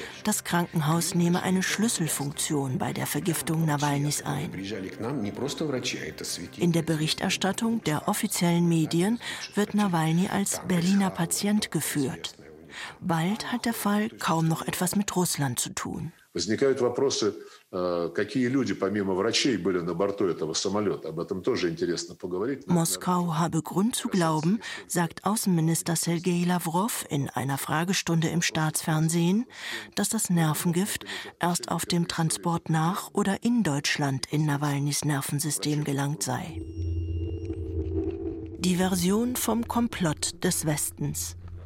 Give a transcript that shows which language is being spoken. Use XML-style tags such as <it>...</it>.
<de>Das Krankenhaus nehme eine Schlüsselfunktion bei der Vergiftung Nawalnys ein. In der Berichterstattung der offiziellen Medien wird Nawalny als Berliner Patient geführt. Bald hat der Fall kaum noch etwas mit Russland zu tun.</de> <ru>Возникают вопросы, какие люди помимо врачей были на борту этого самолета. Об этом тоже интересно поговорить.</ru> <de>Moskau habe Grund zu glauben, sagt Außenminister Sergei Lavrov in einer Fragestunde im Staatsfernsehen, dass das Nervengift erst auf dem Transport nach oder in Deutschland in Nawalnys Nervensystem gelangt sei. Die Version vom Komplott des Westens.</de>